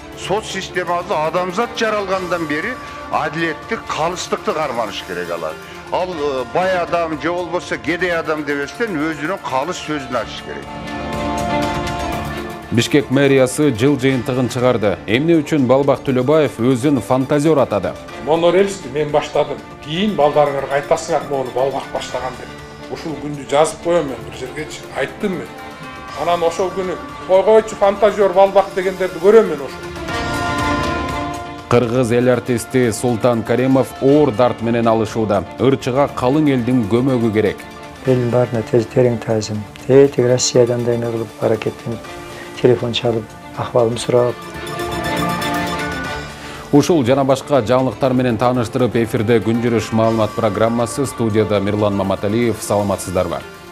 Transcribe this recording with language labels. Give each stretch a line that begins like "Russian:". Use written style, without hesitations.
Kazakh: Сот системасы адамзат жаралғандан бері әділетті, қалыстықты қарманыш керек алар. Ал бай адам, же болса кедей адам дебестен өзінің қалыс сөзін ашыш керек.
Kyrgyz: Бишкек мэриясы жыл жыйынтығын чыгарды. Эмне үчүн Балбак Түлөбаев өзүн фантазер атады? Монорельсти мен баштадым. Кийин балдарыңарга айтасыңар моуну Балбак баштаган деп. Ушул күндү жазып коем мен бир жергечи. Айттым мен. Анан ошол күнү койгойчу фантазер Балбак дегендерди көрөм мен ошол. Кыргыз эл артисти Султан Каримов оор дарт менен алышууда. Ырчыга калың элдин көмөгү керек. Элдин баарына тез терең таазим. Тетик Россиядан да эме кылып аракеттенип. Телефон чалып, ахвалым сурап. Ушул жана башка жаңылыктар менен тааныштырып эфирде күнжүрүш маалымат программасы студияда Мирлан Маматалиев, саламатсыздарбы.